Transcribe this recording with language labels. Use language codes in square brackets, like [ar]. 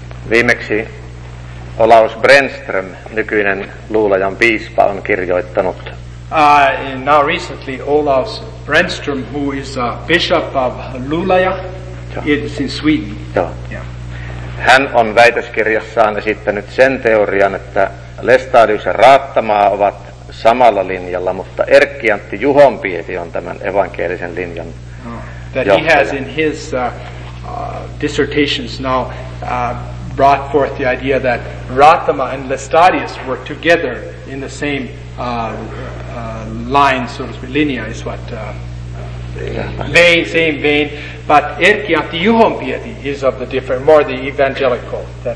[fi] Viimeksi Olaus Brännström, nykyinen Luulajan piispa, on kirjoittanut. [en] Now recently Olaus Brännström, who is a bishop of Luulaja, it's in Sweden. [fi] Joo. [en] Yeah. [fi] Hän on väitöskirjassaan esittänyt sen teorian, että Lestadius ja Raattamaa ovat samalla linjalla, mutta Erkki-Antti Juhonpieti on tämän evankelisen linjan [en] that he has in his dissertations now brought forth the idea that Ratama and Lestadius were together in the same line, so to speak. Linea is what? Same vein. But Erkki-Antti Juhompieti is of the different, more the evangelical.